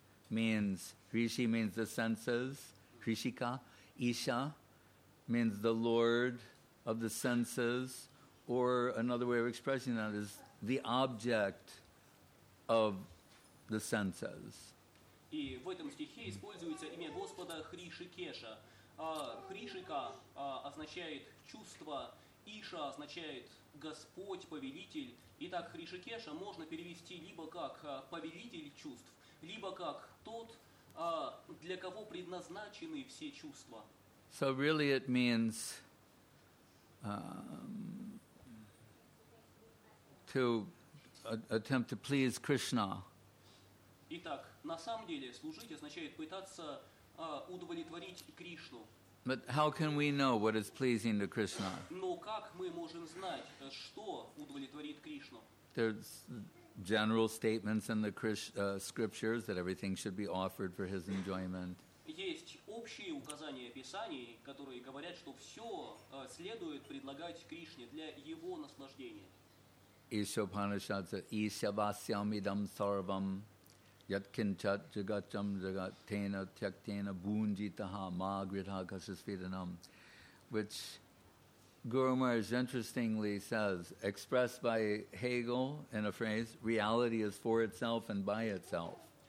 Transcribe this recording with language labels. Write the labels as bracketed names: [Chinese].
[English] Means, Rishi means the senses, Rishika. Isha means the Lord of the senses. Or another way of expressing that is the object of the senses. [Russian] И в этом стихе используется имя Господа Хришикеша. Хришика означает чувство, Иша означает Господь, повелитель. Итак, Хришикеша можно перевести либо как повелитель чувств, либо как тот, для кого предназначены все чувства. [English] So really it means to attempt to please Krishna. [Russian] Итак, на самом деле служить означает пытаться удовлетворить Кришну. [English] But how can we know what is pleasing to Krishna? [Russian] Но как мы можем знать, что удовлетворит Кришну? [English] There's general statements in the scriptures that everything should be offered for his enjoyment. [Russian] Есть общие указания писаний, которые говорят, что все следует предлагать Кришне для его наслаждения. [English] Isha Upanishad says, [Sanskrit] Isha Vasyam Idam Sarvam Yatkinchat Jagacham Jagatena Tyaktena Bhunjitaha Ma Gridha Kashasvidanam, [English] which Guru Maharaj interestingly says, expressed by Hegel in a phrase, reality is for itself and by itself.